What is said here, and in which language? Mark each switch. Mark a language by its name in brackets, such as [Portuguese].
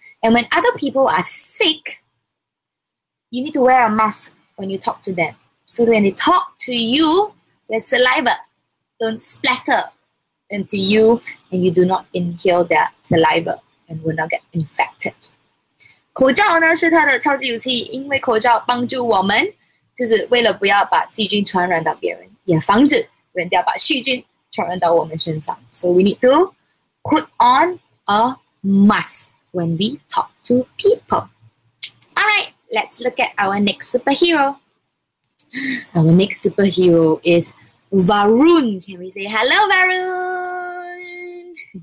[English] And when other people are sick, you need to wear a mask when you talk to them. So when they talk to you, their saliva,don't splatter into you and you do not inhale their saliva and will not get infected. [Chinese] 口罩呢是它的超级武器，因为口罩帮助我们就是为了不要把细菌传染到别人，也防止人家把细菌传染到我们身上。 [English] So we need to put on a mask when we talk to people. Alright, let's look at our next superhero. Our next superhero isVarun, can we say hello, Varun?